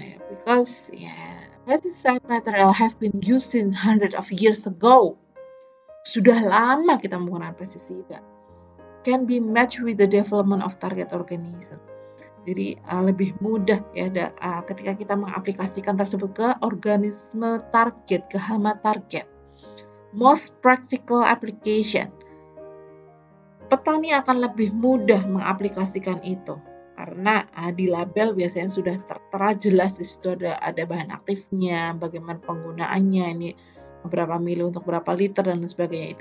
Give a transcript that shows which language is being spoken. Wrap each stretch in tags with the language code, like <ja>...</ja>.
<en>Because pesticide material have been used in hundreds of years ago.</en> <id>Sudah lama kita menggunakan pestisida.</id> <en>Can be matched with the development of target organism.</en> <id>Jadi lebih mudah ya ketika kita mengaplikasikan tersebut ke organisme target, ke hama target.</id> <en>Most practical application.</en> <id>Petani akan lebih mudah mengaplikasikan itu karena di label biasanya sudah tertera jelas di situ ada bahan aktifnya, bagaimana penggunaannya, ini berapa mili untuk berapa liter dan sebagainya.</id>